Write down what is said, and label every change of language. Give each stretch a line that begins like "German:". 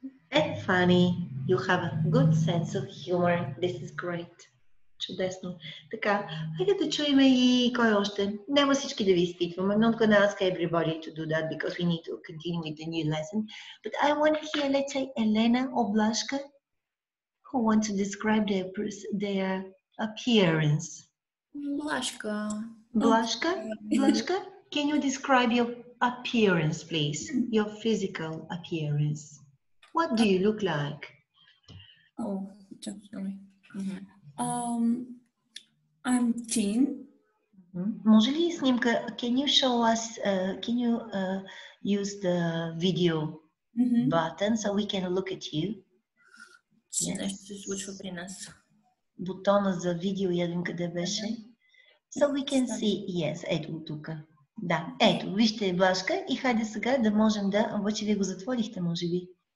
English: And funny, you have a good sense of humor. This is great.
Bulgarian: Чудесно. Така, хайде да чуем и кой още. Няма всички да ви изпитваме.
English: I'm not going to ask everybody to do that because we need to continue with the new lesson. But I want to hear, let's say, Elena Oblaska, who wants to describe their appearance. Blaska. Blaska? Blaska? Can you describe your appearance, please? Your physical appearance. What do you look like? Oh, sorry. Mm-hmm. I'm thin.
Bulgarian: Може ли снимка?
English: Can you show us? Can you use the video button so we can look at you? Yes.
Bulgarian: Бутона за видео, я видим къде беше.
English: So we can see. Yes,
Bulgarian: ето тука. Да, ето, вижте Блашка и хайде сега да можем да... Обаче вие го затворихте, може би.